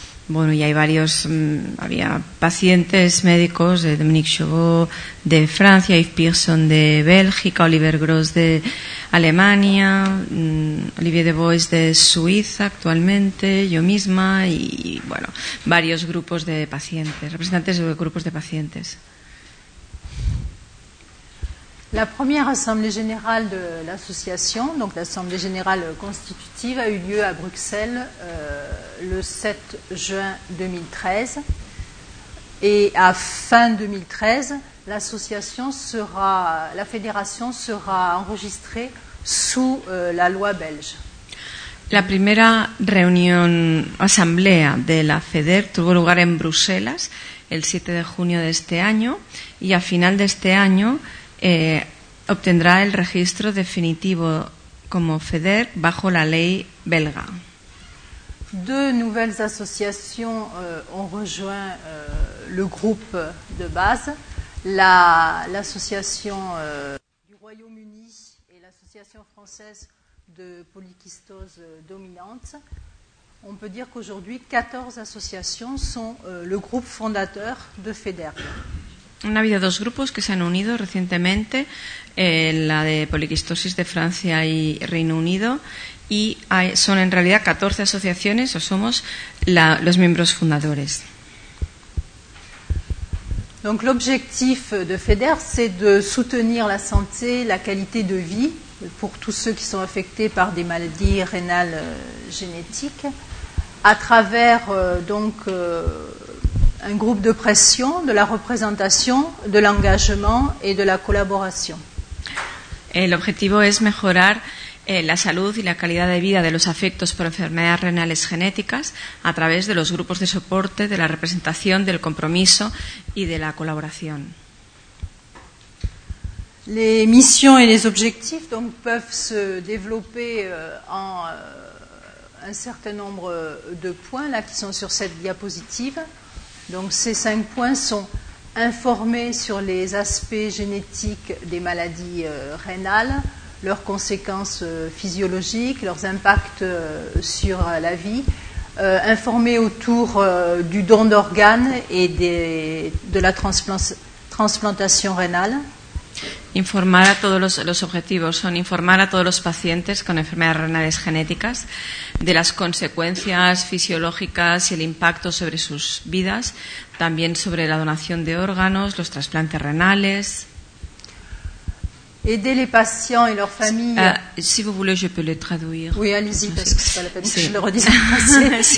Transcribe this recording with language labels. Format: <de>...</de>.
<es>Bueno, y hay varios, había pacientes médicos, de Dominique Chauveau de Francia, Yves Pearson de Bélgica, Oliver Gross de Alemania, Olivier de Bois de Suiza actualmente, yo misma y, bueno, varios grupos de pacientes, representantes de grupos de pacientes.</es> <fr>La première assemblée générale de l'association, donc l'assemblée générale constitutive, a eu lieu à Bruxelles le 7 juin 2013. Et à fin 2013, la fédération sera enregistrée sous la loi belge. La première réunion assemblée</fr> <es>de la FEDER tuvo lugar en Bruselas el 7 de junio de este año y a final de este año obtendrá el registro definitivo como FEDER bajo la ley belga.</es> <fr>Deux nouvelles associations ont rejoint le groupe de base, l'association du Royaume-Uni et l'association française de polykystose dominante. On peut dire qu'aujourd'hui, 14 associations sont le groupe fondateur de FEDER.</fr> <es>Han habido dos grupos que se han unido recientemente, la de poliquistosis de Francia y Reino Unido, y hay, son en realidad 14 asociaciones, o somos la, los miembros fundadores.</es> <fr>Donc l'objectif de FEDER, c'est de soutenir la santé, la qualité de vie pour tous ceux qui sont affectés par des maladies rénales génétiques, à travers donc un groupe de pression, de la représentation, de l'engagement et de la collaboration. L'objectif est</fr> <es>mejorar la salud y la calidad de vida de los afectos por enfermedades renales genéticas a través de los grupos de soporte, de la representación, del compromiso y de la colaboración.</es> <fr>Les missions et les objectifs donc peuvent se développer en un certain nombre de points là qui sont sur cette diapositive. Donc ces cinq points sont informer sur les aspects génétiques des maladies rénales, leurs conséquences physiologiques, leurs impacts sur la vie, informer autour du don d'organes et de la transplantation rénale.</fr> <es>Informar a todos los objetivos son informar a todos los pacientes con enfermedades renales genéticas de las consecuencias fisiológicas y el impacto sobre sus vidas, también sobre la donación de órganos, los trasplantes renales.</es> <fr>Aider les patients et leurs familles. Si vous voulez, je peux le traduire. Oui, allez-y, parce que c'est pas la peine que je le redise en français.</fr>